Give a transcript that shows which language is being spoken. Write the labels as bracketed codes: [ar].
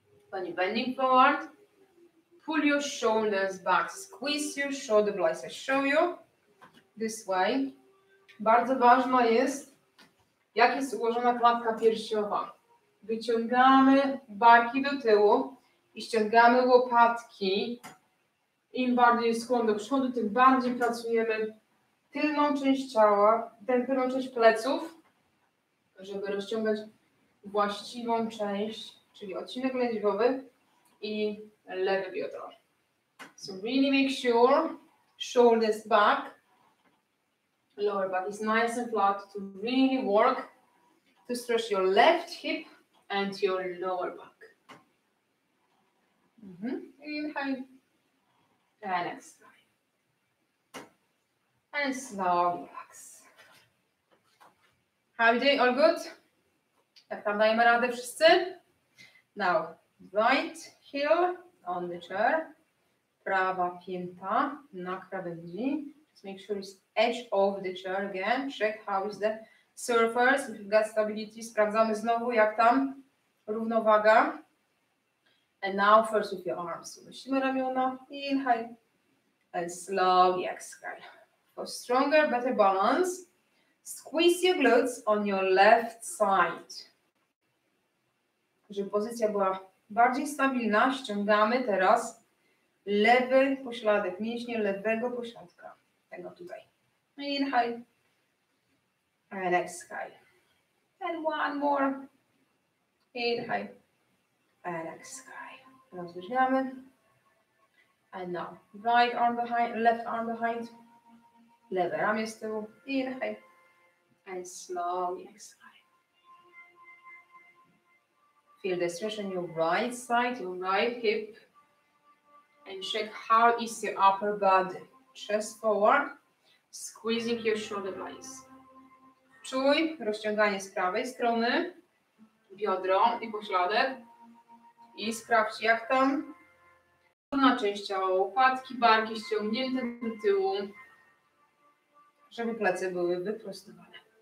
[en] When you're bending forward, pull your shoulders back, squeeze your shoulder blades. I show you this way. [pl] Bardzo ważna jest, jak jest ułożona klatka piersiowa. Wyciągamy barki do tyłu i ściągamy łopatki. Im bardziej jest skłon do przodu, tym bardziej pracujemy tylną część ciała, tylną część pleców, żeby rozciągać właściwą część, czyli odcinek lędźwiowy i lewe biodro. [en] So really make sure shoulders back, lower back is nice and flat to really work to stretch your left hip and your lower back. Inhale. And exhale. And slow relax. How are you doing? All good? [pl] Jak tam dajemy radę wszyscy? [en] Now, right heel on the chair. [pl] Prawa pięta na krawędzi. [en] Just make sure it's edge of the chair again. Check how is the surface. If you've got stability, [pl] sprawdzamy znowu, jak tam równowaga. [en] And now, first with your arms. [pl] Unosimy ramiona. [en] Inhale. And slowly exhale. For stronger, better balance, squeeze your glutes on your left side. [pl] Żeby pozycja była bardziej stabilna, ściągamy teraz lewy pośladek, mięśnie lewego pośladka. Tego tutaj. [en] Inhale. And exhale. And one more. Inhale. And exhale. [pl] Rozluźniamy. [en] And now, right arm behind, left arm behind, [pl] lewe ramię z tyłu, [en] inhale, and slowly exhale. Feel the stretch on your right side, your right hip, and check how is your upper body. Chest forward, squeezing your shoulder blades. [pl] Czuj rozciąganie z prawej strony, biodro i pośladek, i sprawdź, jak tam na część ciała, łopatki, barki ściągnięte do tyłu, żeby plecy były wyprostowane.